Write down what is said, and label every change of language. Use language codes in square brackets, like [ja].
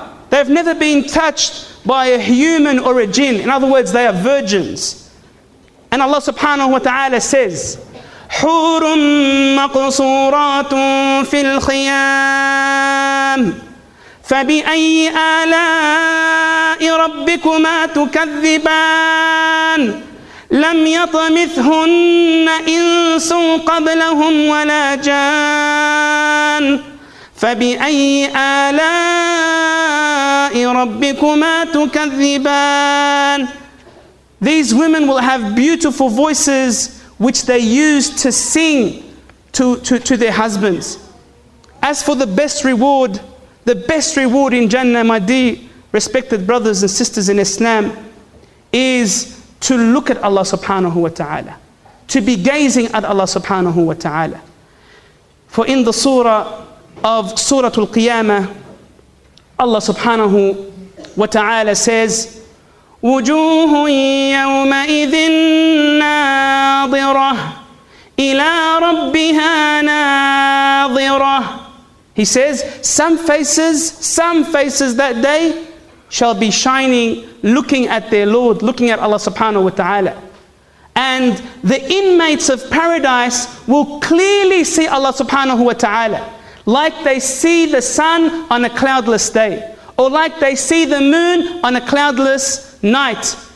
[en] They've never been touched by a human or a jinn. In other words, they are virgins. And Allah subhanahu wa ta'ala says, [ar] حُورٌ مَقْصُورَاتٌ فِي الْخِيَامِ فَبِأَيِّ آلَاءِ رَبِّكُمَا تُكَذِّبَانِ لَمْ يَطْمِثْهُنَّ إِنْسٌ قَبْلَهُمْ وَلَا جَانٌ فَبِأَيِّ آلَاءِ رَبِّكُمَا تُكَذِّبَانِ. [en] These women will have beautiful voices which they use to sing to their husbands. As for the best reward, in Jannah, my dear respected brothers and sisters in Islam, is to look at Allah subhanahu wa ta'ala, to be gazing at Allah subhanahu wa ta'ala. For in the surah of Surah Al-Qiyamah, Allah subhanahu wa ta'ala says, [ar] وجوه يومئذ ناظرة إلى ربها ناظرة. [en] He says, some faces that day shall be shining, looking at their Lord, looking at Allah subhanahu wa ta'ala. And the inmates of paradise will clearly see Allah subhanahu wa ta'ala, like they see the sun on a cloudless day, or like they see the moon on a cloudless night.